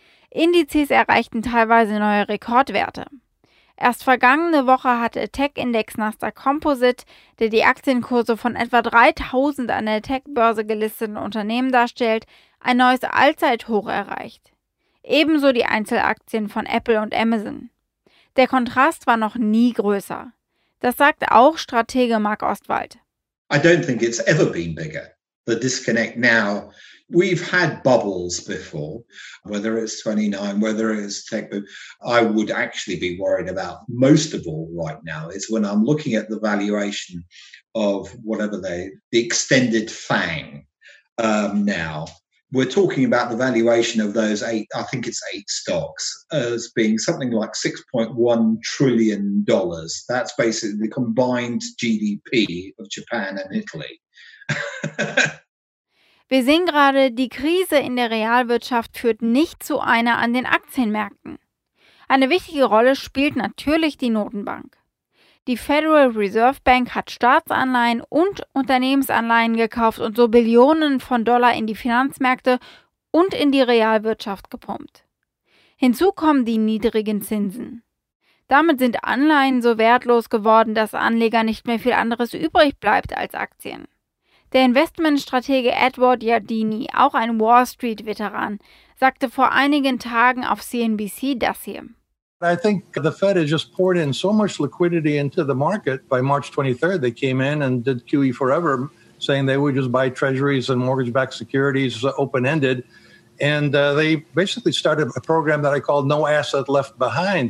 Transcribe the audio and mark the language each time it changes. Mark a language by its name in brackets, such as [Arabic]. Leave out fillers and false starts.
[German] Indizes erreichten teilweise neue Rekordwerte. Erst vergangene Woche hatte der Tech-Index Nasdaq Composite, der die Aktienkurse von etwa 3000 an der Tech-Börse gelisteten Unternehmen darstellt, ein neues Allzeithoch erreicht. Ebenso die Einzelaktien von Apple und Amazon. Der Kontrast war noch nie größer. Das sagt auch Stratege Mark Ostwald. [English] I don't think it's ever been bigger. The disconnect now, we've had bubbles before, whether it's 29, whether it's tech boom. I would actually be worried about most of all right now is when I'm looking at the valuation of whatever the extended FANG now. We're talking about the valuation of those eight, I think it's eight stocks, as being something like $6.1 trillion. That's basically the combined GDP of Japan and Italy. [German] Wir sehen gerade, die Krise in der Realwirtschaft führt nicht zu einer an den Aktienmärkten. Eine wichtige Rolle spielt natürlich die Notenbank. Die Federal Reserve Bank hat Staatsanleihen und Unternehmensanleihen gekauft und so Billionen von Dollar in die Finanzmärkte und in die Realwirtschaft gepumpt. Hinzu kommen die niedrigen Zinsen. Damit sind Anleihen so wertlos geworden, dass Anleger nicht mehr viel anderes übrig bleibt als Aktien. Der Investmentstratege Edward Yardini, auch ein Wall Street-Veteran, sagte vor einigen Tagen auf CNBC das hier. [English] I think the Fed has just poured in so much liquidity into the market. By March 23rd, they came in and did QE forever, saying they would just buy treasuries and mortgage-backed securities open-ended. And they basically started a program that I called No Asset Left Behind.